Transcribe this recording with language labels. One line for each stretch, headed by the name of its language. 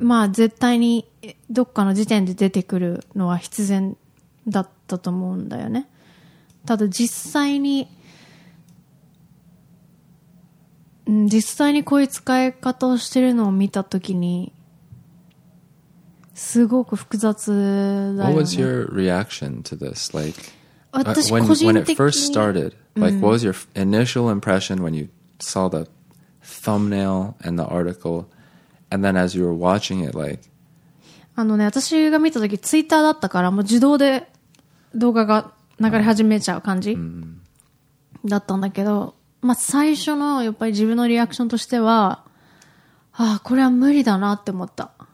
Japanese: まあ絶対にどっかの時点で出てくるのは必然だったと思うんだよね。ただ実際にこういう使い方をしてるのを見たときにすごく複雑だよね。
English: What was your reaction to this? Like,
Japanese: 私個人的に
English: when it first started, like, what was your initial impression when you saw the thumbnail and the article, and then as you were watching it, like,
Japanese: あのね、私が見たときツイッターだったからもう自動で動画が流れ始めちゃう感じだったんだけど。まあ、最初のやっぱり自分のリアクションとしては、ああこれは無理だなって思った。